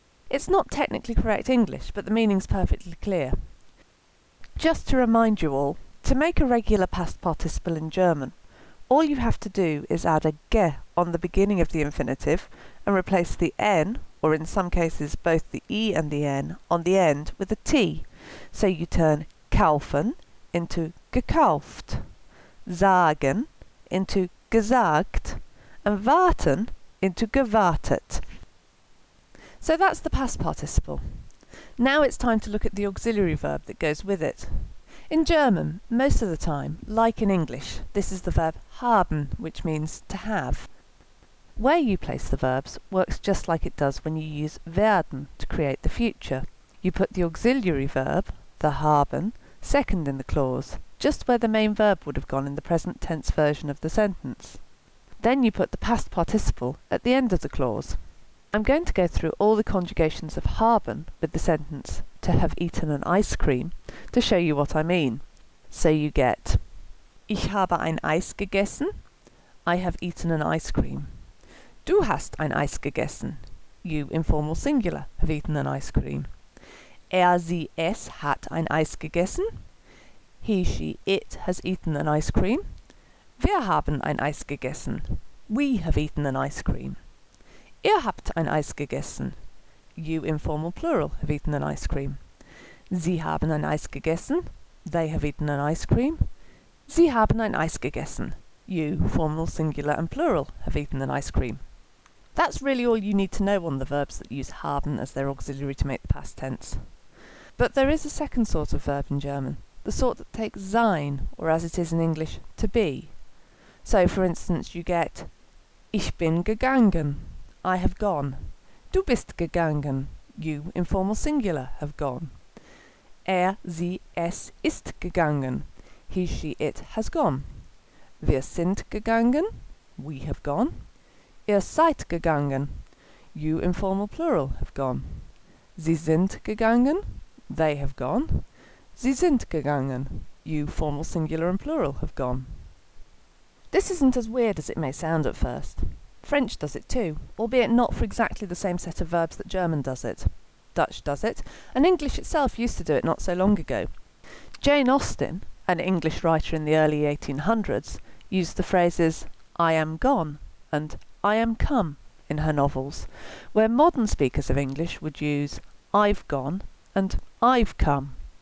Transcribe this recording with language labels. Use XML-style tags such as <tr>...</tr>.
<en>It's not technically correct English, but the meaning's perfectly clear. Just to remind you all, to make a regular past participle in German, all you have to do is add a ge on the beginning of the infinitive and replace the n, or in some cases both the e and the n, on the end with a t. So you turn kaufen into gekauft, sagen into gesagt, and warten into gewartet. So that's the past participle. Now it's time to look at the auxiliary verb that goes with it. In German, most of the time, like in English, this is the verb haben, which means to have. Where you place the verbs works just like it does when you use werden to create the future. You put the auxiliary verb, the haben, second in the clause, just where the main verb would have gone in the present tense version of the sentence. Then you put the past participle at the end of the clause. I'm going to go through all the conjugations of haben with the sentence to have eaten an ice cream to show you what I mean.</en> <de>So you get ich habe ein Eis gegessen.</de> <en>I have eaten an ice cream.</en> <de>Du hast ein Eis gegessen.</de> <en>You, informal singular, have eaten an ice cream.</en> <de>Sie, es hat ein Eis gegessen.</de> <en>He, she, it has eaten an ice cream.</en> <de>Wir haben ein Eis gegessen.</de> <en>We have eaten an ice cream.</en> <de>Ihr habt ein Eis gegessen.</de> <en>You, informal plural, have eaten an ice cream.</en> <de>Sie haben ein Eis gegessen.</de> <en>They have eaten an ice cream.</en> <de>Sie haben ein Eis gegessen.</de> <en>You, formal, singular and plural, have eaten an ice cream. That's really all you need to know on the verbs that use haben as their auxiliary to make the past tense. But there is a second sort of verb in German, the sort that takes sein, or as it is in English, to be. So, for instance, you get</en> <de>ich bin gegangen,</de> <en>I have gone.</en> <de>Du bist gegangen,</de> <en>you, informal singular, have gone.</en> <de>Sie, es ist gegangen,</de> <en>he, she, it has gone.</en> <de>Wir sind gegangen,</de> <en>we have gone.</en> <de>Ihr seid gegangen,</de> <en>you, informal plural, have gone.</en> <de>Sie sind gegangen,</de> <en>they have gone. Sie sind gegangen, you, formal singular and plural, have gone. This isn't as weird as it may sound at first. French does it too, albeit not for exactly the same set of verbs that German does it. Dutch does it, and English itself used to do it not so long ago. Jane Austen, an English writer in the early 1800s, used the phrases I am gone and I am come in her novels, where modern speakers of English would use I've gone and I've come.</en>